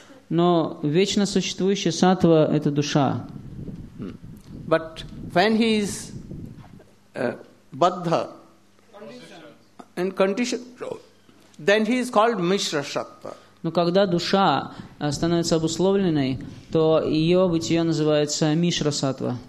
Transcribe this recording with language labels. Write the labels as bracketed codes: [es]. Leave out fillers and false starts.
[ru] Но вечно существующая сатва – это душа. [en] But when he is baddha in condition, then he is called mishra sattva. [ru] Но когда душа становится обусловленной, то ее бытие называется мишра сатва.